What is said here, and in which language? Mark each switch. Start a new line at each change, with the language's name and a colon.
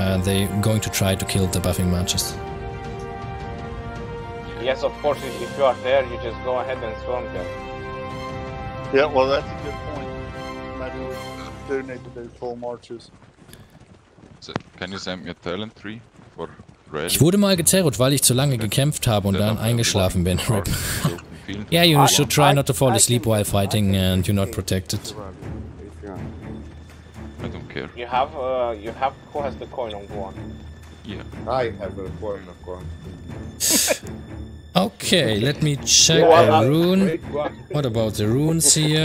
English: They're going to try to kill the buffing marches. Yes, of course, if you are there, you just go ahead and swarm them. Yeah, well, that's a good point. Maybe we do need to do full marches. Can you send me a talent tree for Red?
German: Ich wurde mal gezerrt, weil ich zu lange gekämpft habe und dann eingeschlafen bin.
English: Yeah, you should try not to fall asleep while fighting and you're not protected. I don't care. You have who has the coin on Guan? Yeah. I have a coin of Guan. Okay, let me check the rune. What about the runes here?